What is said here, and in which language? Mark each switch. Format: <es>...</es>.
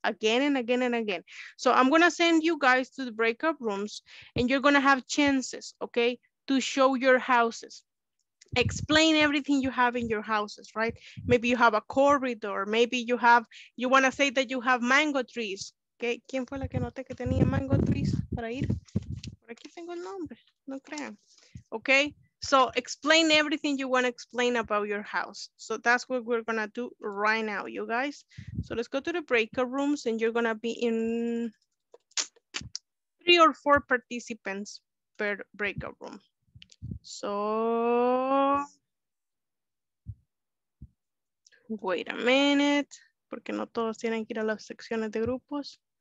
<en>Again and again and again. So I'm going to send you guys to the breakout rooms and you're going to have chances, okay, to show your houses. Explain everything you have in your houses, right? Maybe you have a corridor. Maybe you have, you want to say that you have mango trees.</en> <es>Okay, ¿quién fue la que noté que tenía</es> <en>mango trees</en> <es>para ir? Por aquí tengo el nombre, no crean.</es> <en>Okay, so explain everything you want to explain about your house. So that's what we're going to do right now, you guys. So let's go to the breakout rooms and you're going to be in 3 or 4 participants per breakout room. So, wait a minute,</en> <es>porque no todos tienen que ir a las secciones de grupos.</es>